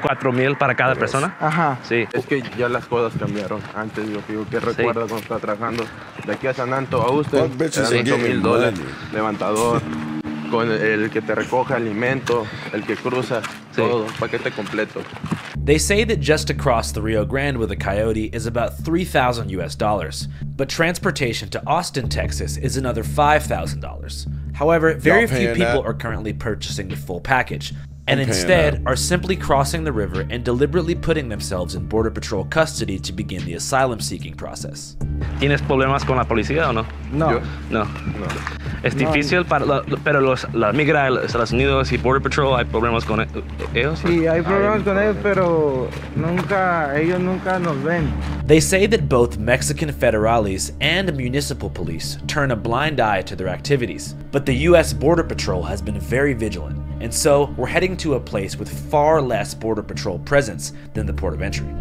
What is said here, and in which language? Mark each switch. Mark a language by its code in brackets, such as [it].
[es] $4,000 para cada persona? Ajá. Sí. Es que ya las cosas cambiaron. Antes yo digo que recuerdas cuando estaba trabajando de aquí a San Anto a usted. $8,000. Levantador. Con el que te recoge alimento, el que cruza, todo, paquete completo. [en] They say that just to cross the Rio Grande with a coyote is about $3,000, but transportation to Austin, Texas is another $5,000. However, very few people are currently purchasing the full package, and instead are simply crossing the river and deliberately putting themselves in Border Patrol custody to begin the asylum-seeking process. [es] ¿Tienes problemas con la policía o no? No. No. No. Es difícil, pero la migra de Estados Unidos y Border Patrol, ¿hay problemas con ellos? Sí, hay problemas con ellos, pero ellos nunca nos ven. [en] They say that both Mexican federales and municipal police turn a blind eye to their activities, but the U.S. Border Patrol has been very vigilant, and so we're heading to a place with far less Border Patrol presence than the port of entry.